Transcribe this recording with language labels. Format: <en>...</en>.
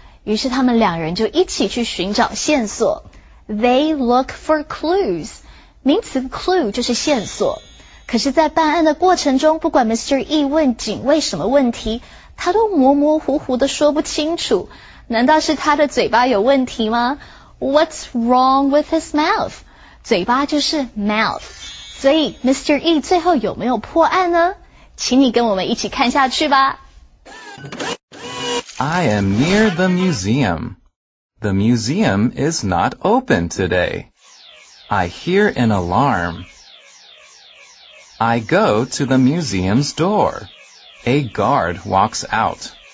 <zh>于是他们两人就一起去寻找线索。</zh> <en>They look for clues。</en> <zh>名词 clue 就是线索。可是在办案的过程中，不管 Mr. E 问警卫什么问题，他都模模糊糊地说不清楚。难道是他的嘴巴有问题吗？</zh> <en>What's wrong with his mouth?</en> <zh>嘴巴就是 mouth。所以 Mr. E 最后有没有破案呢？请你跟我们一起看下去吧。</zh> <en>I am near the museum. The museum is not open today. I hear an alarm. I go to the museum's door. A guard walks out.</en>